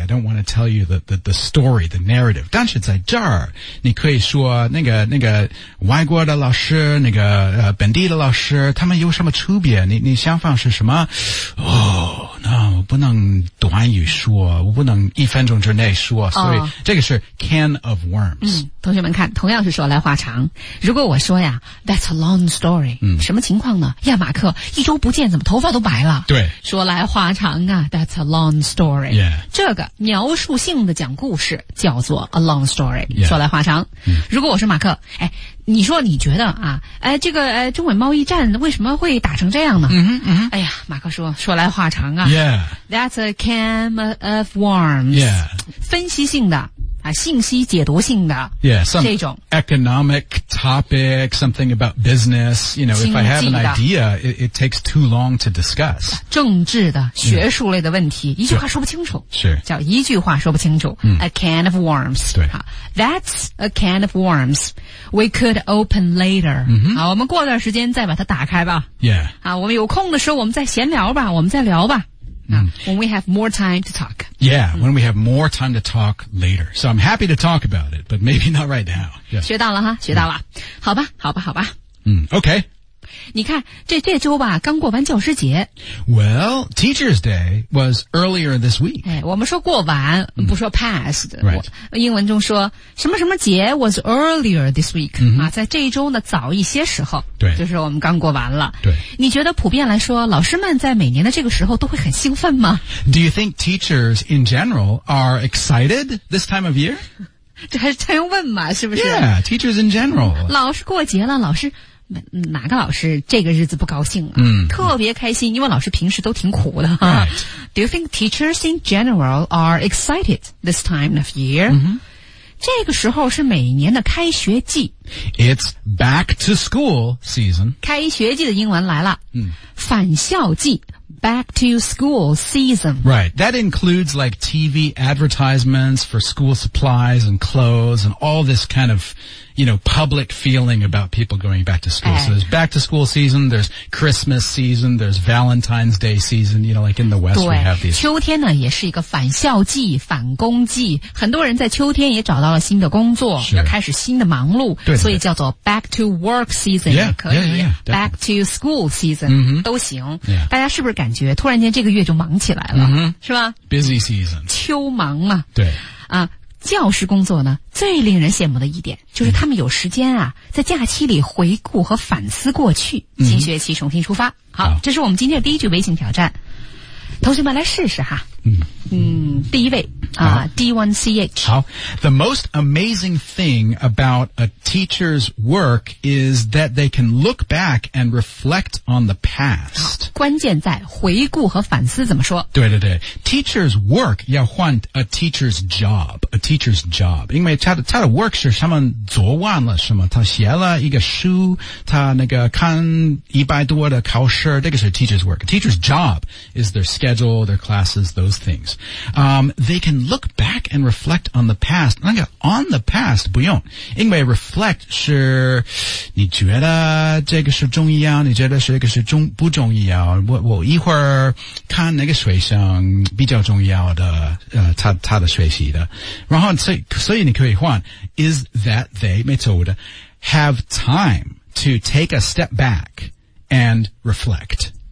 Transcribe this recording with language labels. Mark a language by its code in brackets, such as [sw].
[en] I don't want to tell you the story, the narrative. [zh] 但是在这儿你可以说那个外国的老师，那个本地的老师，他们有什么区别，你想法是什么。那我不能短语说，我不能一分钟之内说，所以这个是 [en] can of worms。 [zh] 同学们看，同样是说来话长。如果我说呀 , [en] that's a long story, [zh] 什么情况呢？亚马克一周不见怎么头发都白了。对。说来话长啊 , [en] that's a long story。 Yeah. [zh] 这个描述性的讲故事叫做 [en] a long story, [zh] 说来话长。如果我是马克，你说你觉得啊，中美贸易战为什么会打成这样呢？哎呀，马克说来话长啊。 [en] Yeah. That's a can of worms. Yeah. [zh] 分析性的。信息解读性的 [en] yeah, [zh] 这种 [en] economic topic, something about business, you know, if I have an idea, it takes too long to discuss. [zh] 政治的学术类的问题、一句话说不清楚，是叫一句话说不清楚、 [en] a can of worms. [zh] 对 [en] That's a can of worms. We could open later.、 [zh] 好，我们过段时间再把它打开吧。 [en] Yeah. [zh] 我们有空的时候我们再闲聊吧，我们再聊吧。 [en] When we have more time to talk. Yeah, when we have more time to talk later. So I'm happy to talk about it, but maybe not right now. [zh] Yes. 学到了哈，学到了。好吧，好吧，好吧。 [en] Okay. [zh] 你看，这周吧，刚过完教师节。 [en] Well, Teacher's Day was earlier this week. [zh] 我们说过完，不说 past. [en] Right. [zh] 英文中说，什么什么节 [en] was earlier this week.、 [zh] 在这一周呢，早一些时候。对。就是我们刚过完了。对。你觉得普遍来说，老师们在每年的这个时候都会很兴奋吗？ [en] Do you think teachers in general are excited this time of year? [zh] 这还是他用问嘛，是不是？ [en] Yeah, teachers in general. [zh] 老师过节了，老师。哪个老师这个日子不高兴啊、特别开心，因为老师平时都挺苦的、 [en] right. Do you think teachers in general are excited this time of year?、 [zh] 这个时候是每年的开学季。 [en] It's back to school season. [zh] 开学季的英文来了。返校季。 [en] Back to school season. Right. That includes like TV advertisements for school supplies and clothes and all this kind of, you know, public feeling about people going back to school.、So there's back to school season, there's Christmas season, there's Valentine's Day season, you know, like in the West we have these. [zh] 秋天呢也是一个返校季返工季。很多人在秋天也找到了新的工作、 [en] sure. [zh] 要开始新的忙碌。对所以叫做 [en] back to work season [zh] 也可以。 [en] Yeah, yeah, back to school season、 [zh] 都行。 [en] Yeah. [zh] 大家是不是感觉突然间这个月就忙起来了、是吧 [en] Busy season. [zh] 秋忙嘛。对。教师工作呢最令人羡慕的一点就是他们有时间啊在假期里回顾和反思过去新学期重新出发。好这是我们今天的第一句微信挑战。同学们来试试哈。第一位啊 ,D1CH。 [en] 好 ,the most amazing thing about a teacher's work is that they can look back and reflect on the past. [zh] 关键在回顾和反思怎么说。对对对。 [en] teacher's work, [zh] 要换 [en] a teacher's job, a teacher's job. [zh] 因为他的 work 是什么昨晚了什么他写了一个书他那个看一百多的考试这个是 [en] teacher's work. A teacher's job is their schedule, their classes, those things. They can look back and reflect on the past. [zh] 那个 on the past 不用。因为 reflect 是你觉得这个是重要你觉得这个是重不重要我一会儿看那个学生比较重要的他的学习的。然后所以你可以换 [en] is that they, [zh] 没错的 [en] have time to take a step back and reflect.、